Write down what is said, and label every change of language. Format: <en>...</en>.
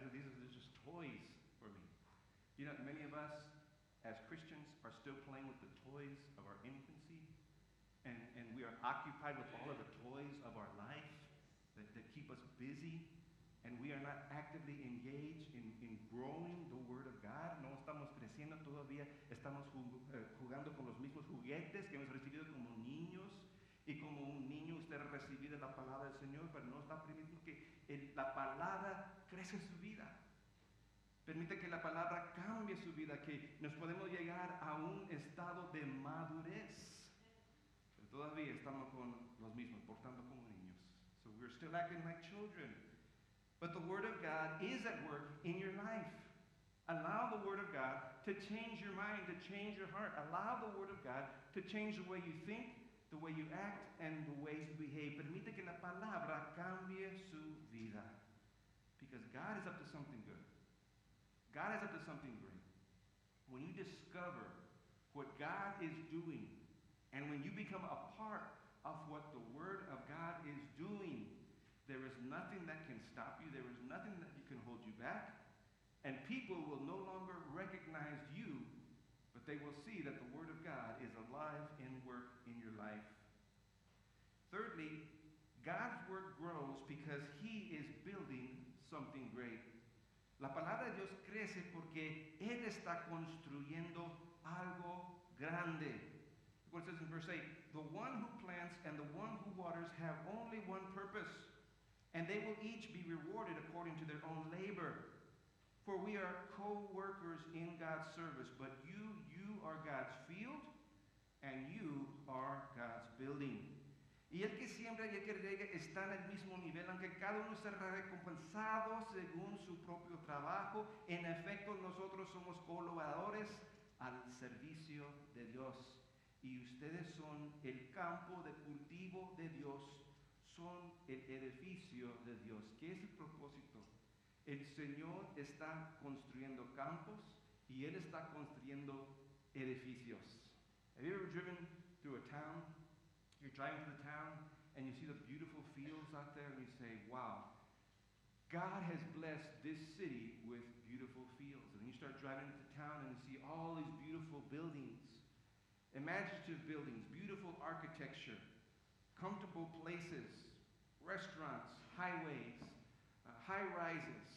<en>These are just toys for me. You know, many of us as Christians are still playing with the toys of our infancy, and we are occupied with all of the toys of our life that keep us busy, and we are not actively engaged in growing the Word of God.</en> <es>No estamos creciendo todavía. Estamos jugando con los mismos juguetes que hemos recibido como niños. Y como un niño usted ha recibido la palabra del Señor, pero no está permitiendo que la palabra crezca en su vida. Permite que la palabra cambie su vida, que nos podemos llegar a un estado de madurez. Pero todavía estamos con los mismos, portando como niños.</es> <en>So we're still acting like children. But the Word of God is at work in your life. Allow the Word of God to change your mind, to change your heart. Allow the Word of God to change the way you think, the way you act, and the way you behave.</en> <es>Permite que la palabra cambie su vida.</es> <en>Because God is up to something good. God is up to something great. When you discover what God is doing, and when you become a part of what the Word of God is doing, there is nothing that can stop you. There is nothing that can hold you back. And people will no longer recognize you, but but they will see that the Word of God is alive in work in your life. Thirdly, God's Word grows because He is building something great.</en> <es>La palabra de Dios crece porque Él está construyendo algo grande.</es> <en>Look what it says in verse 8. The one who plants and the one who waters have only one purpose, and they will each be rewarded according to their own labor. For we are co-workers in God's service, but you are God's field, and you are God's building.</en> <es>Y el que siembra y el que riega están al mismo nivel, aunque cada uno será recompensado según su propio trabajo. En efecto, nosotros somos colaboradores al servicio de Dios. Y ustedes son el campo de cultivo de Dios, son el edificio de Dios. ¿Qué es el propósito? El Señor está construyendo campos y Él está construyendo edificios.</es> <en>Have you ever driven through a town? You're driving through the town and you see the beautiful fields out there and you say, wow, God has blessed this city with beautiful fields. And you start driving into town and you see all these beautiful buildings, imaginative buildings, beautiful architecture, comfortable places, restaurants, highways, high rises.</en>